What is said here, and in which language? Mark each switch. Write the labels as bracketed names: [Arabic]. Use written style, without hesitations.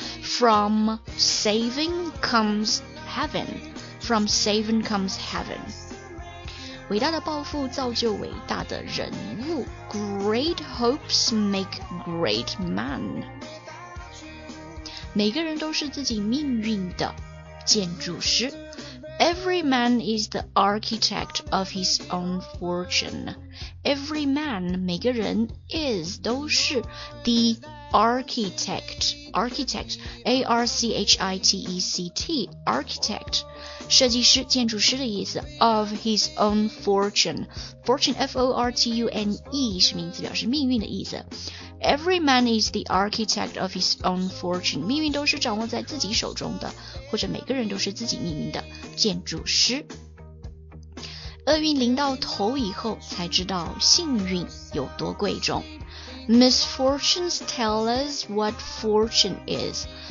[English] From saving comes heaven, from saving comes heaven. [Chinese] 伟大的抱负造就伟大的人物。 [English] Great hopes make great man. [Chinese] 每个人都是自己命运的建筑师。 [English] Every man is the architect of his own fortune. Every man, [Chinese] 每个人 [English] is, [Chinese] 都是 [English] the architect. Architect, A-R-C-H-I-T-E-C-T, architect, [Chinese] 设计师、建筑师的意思 [English] of his own fortune. [Chinese] Fortune, F-O-R-T-U-N-E, 是名字，表示命运的意思。 [English] Every man is the architect of his own fortune. [Chinese] 命运都是掌握在自己手中的，或者每个人都是自己命运的建筑师。厄运临到头以后才知道幸运有多贵重。 [English] Misfortunes tell us what fortune is.